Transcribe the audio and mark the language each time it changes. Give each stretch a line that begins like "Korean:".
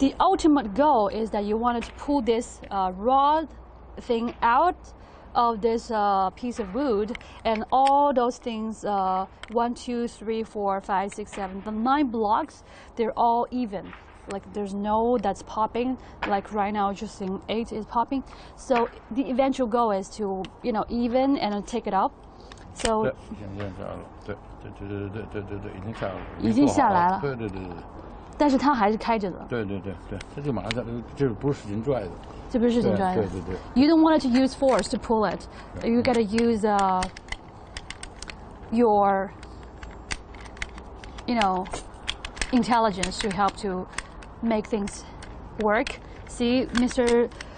English: The ultimate goal is that you wanted to pull this rod thing out of this piece of wood, and all those things, 1, 2, 3, 4, 5, 6, 7, the 9 blocks, they're all even. Like there's no that's popping, like right now just seeing 8 is popping. So the eventual goal is to, you know, even and take it up. So
Chinese: 对，已经下来了。对对对对对对，已经下来了。对对对对，但是它还是开着的。对对对对，它就马上下来，这不是使劲拽的。这不是使劲拽的。对对对。
English: You don't want it to use force to pull it. You gotta use your, you know, intelligence to help to make things work. See, Mr.